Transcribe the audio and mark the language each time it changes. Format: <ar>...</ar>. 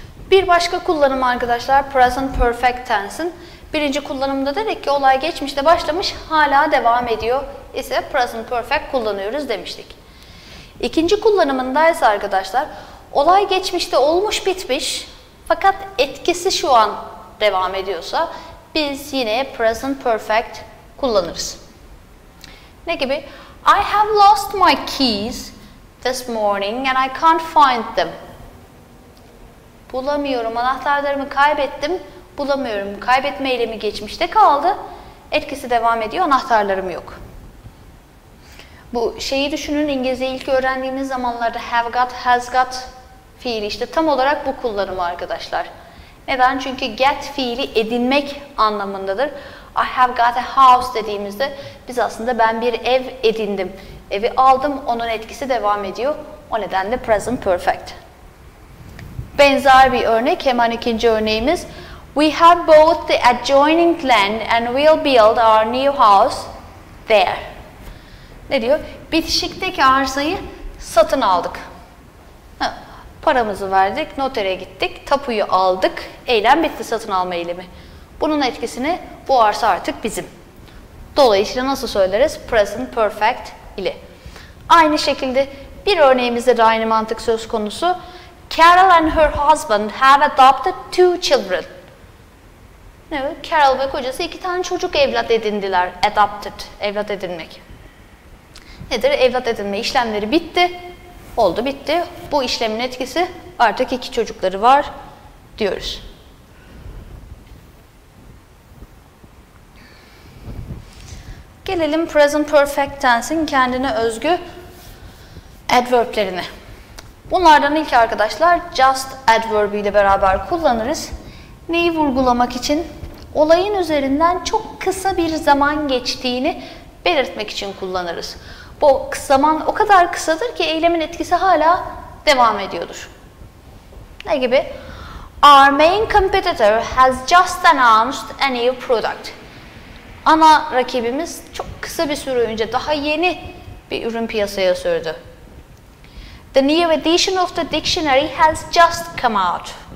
<tr>Bir başka kullanım arkadaşlar present perfect tense'in birinci kullanımda dedik ki olay geçmişte başlamış hala devam ediyor ise present perfect kullanıyoruz demiştik. İkinci kullanımında ise arkadaşlar olay geçmişte olmuş bitmiş fakat etkisi şu an devam ediyorsa biz yine present perfect kullanırız. Ne gibi?</tr> <en>I have lost my keys this morning and I can't find them.</en> <tr>Bulamıyorum, anahtarlarımı kaybettim, bulamıyorum. Kaybetme eylemi geçmişte kaldı, etkisi devam ediyor, anahtarlarım yok. Bu şeyi düşünün, İngilizce ilk öğrendiğimiz zamanlarda have got, has got fiili işte tam olarak bu kullanımı arkadaşlar. Neden? Çünkü get fiili edinmek anlamındadır.</tr> <en>I have got a house</en> <tr>dediğimizde biz aslında ben bir ev edindim, evi aldım, onun etkisi devam ediyor. O nedenle present perfect. Benzer bir örnek, hemen ikinci örneğimiz.</tr> <en>We have bought the adjoining land and we'll build our new house there.</en> <tr>Ne diyor? Bitişikteki arsayı satın aldık. Paramızı verdik, notere gittik, tapuyu aldık. Eylem bitti, satın alma eylemi. Bunun etkisini bu arsa artık bizim. Dolayısıyla nasıl söyleriz? Present perfect ile. Aynı şekilde bir örneğimizde de aynı mantık söz konusu.</tr> <en>Carol and her husband have adopted two children.</en> <tr>Ne? Carol ve kocası iki tane çocuk evlat edindiler. Adopted, evlat edinmek. Nedir? Evlat edinme işlemleri bitti. Oldu bitti. Bu işlemin etkisi artık iki çocukları var diyoruz. Gelelim present perfect tense'in kendine özgü adverblerine. Bunlardan ilk arkadaşlar just adverbi ile beraber kullanırız. Neyi vurgulamak için? Olayın üzerinden çok kısa bir zaman geçtiğini belirtmek için kullanırız. Bu zaman o kadar kısadır ki eylemin etkisi hala devam ediyordur. Ne gibi?</tr> <en>Our main competitor has just announced a new product.</en> <tr>Ana rakibimiz çok kısa bir süre önce daha yeni bir ürün piyasaya sürdü.</tr> <en>The new edition of the dictionary has just come out.</en>